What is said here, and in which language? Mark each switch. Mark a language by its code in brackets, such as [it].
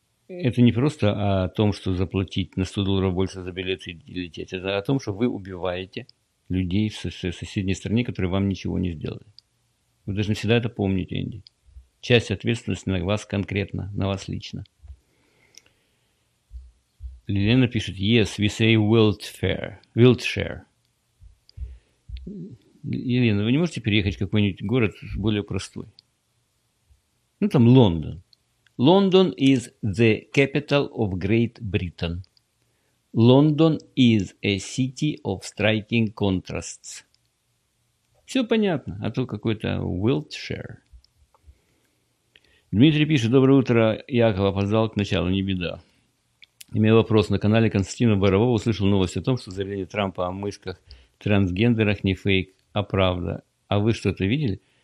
[ru] Это не просто о том, что заплатить на $100 больше за билет и лететь. Это о том, что вы убиваете людей в соседней стране, которые вам ничего не сделали. Вы должны всегда это помнить, Энди. Часть ответственности на вас конкретно, на вас лично. Лилена пишет, [en] yes, we say Wiltshire. [ru] Елена, вы не можете переехать в какой-нибудь город более простой? Ну, там Лондон. [en] London is the capital of Great Britain. London is a city of striking contrasts. [ru] Все понятно, а то какой-то Wiltshire. Дмитрий пишет: доброе утро, Яков, опоздал к началу, не беда. Имею вопрос. На канале Константина Борового услышал новость о том, что заявление Трампа о мышках трансгендерах не фейк, а правда. А вы что-то видели?